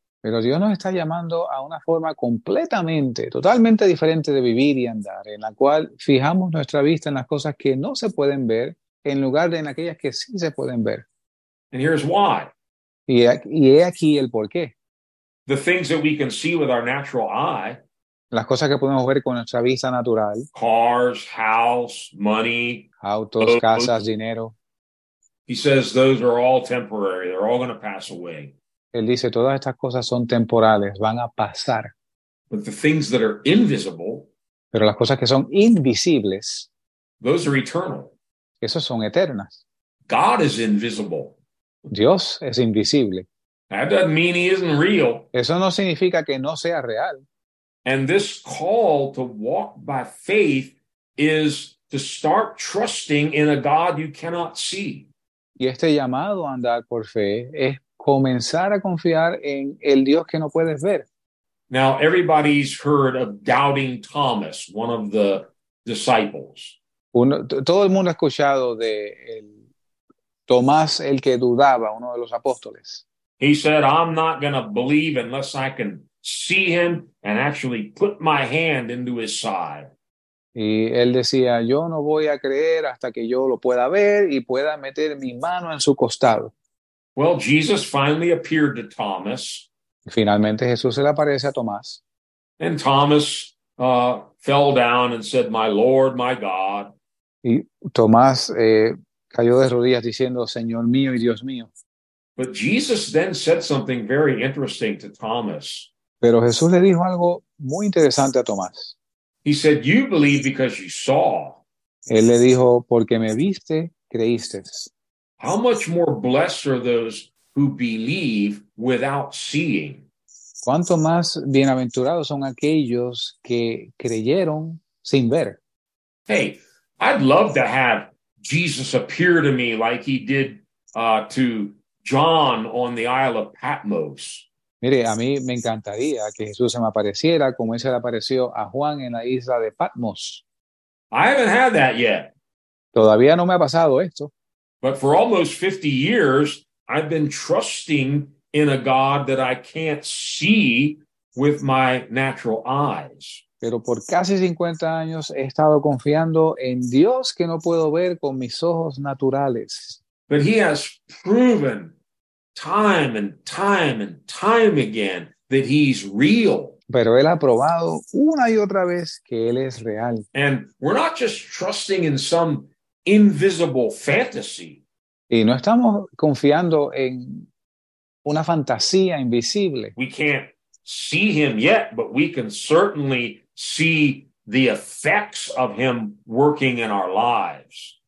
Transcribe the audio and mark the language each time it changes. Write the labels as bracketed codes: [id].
[es] Pero Dios nos está llamando a una forma completamente, totalmente diferente de vivir y andar, en la cual fijamos nuestra vista en las cosas que no se pueden ver, en lugar de en aquellas que sí se pueden ver. [en] And here's why. [es] Y he aquí el porqué. [en] The things that we can see with our natural eye. [es] Las cosas que podemos ver con nuestra vista natural. [en] Cars, house, money. [es] Autos, boats. Casas, dinero. [en] He says those are all temporary. They're all going to pass away. [es] Él dice, todas estas cosas son temporales. Van a pasar. [en] But the things that are invisible. [es] Pero las cosas que son invisibles. [en] Those are eternal. [es] Esas son eternas. [en] God is invisible. [es] Dios es invisible. [en] That doesn't mean he isn't real. [es] Eso no significa que no sea real. [en] And this call to walk by faith is to start trusting in a God you cannot see. [es] Y este llamado a andar por fe es comenzar a confiar en el Dios que no puedes ver. [en] Now, everybody's heard of doubting Thomas, one of the disciples. [es] Todo el mundo ha escuchado de Tomás, el que dudaba, uno de los apóstoles. [en] He said, I'm not going to believe unless I can see him and actually put my hand into his side. [es] Y él decía, yo no voy a creer hasta que yo lo pueda ver y pueda meter mi mano en su costado. [en] Well, Jesus finally appeared to Thomas. [es] Finalmente Jesús se le aparece a Tomás. [en] And Thomas fell down and said, my Lord, my God. [es] Y Tomás cayó de rodillas diciendo, Señor mío y Dios mío. [en] But Jesus then said something very interesting to Thomas. [es] Pero Jesús le dijo algo muy interesante a Tomás. [en] He said, you believe because you saw. [es] Él le dijo, porque me viste, creíste. [en] How much more blessed are those who believe without seeing? [es] ¿Cuánto más bienaventurados son aquellos que creyeron sin ver? [en] Hey, I'd love to have Jesus appear to me like he did to John on the Isle of Patmos. [es] Mire, a mí me encantaría que Jesús se me apareciera como él se le apareció a Juan en la isla de Patmos. [en] I haven't had that yet. [es] Todavía no me ha pasado esto. [en] But for almost 50 years, I've been trusting in a God that I can't see with my natural eyes. [es] Pero por casi 50 años he estado confiando en Dios que no puedo ver con mis ojos naturales. [en] But he has proven time and time and time again that he's real. [es] Pero él ha probado una y otra vez que él es real. [en] And we're not just trusting in some invisible fantasy. [es] Y no estamos confiando en una fantasía invisible. [en] We can't see him yet, but we can certainly see the effects of him working in our lives.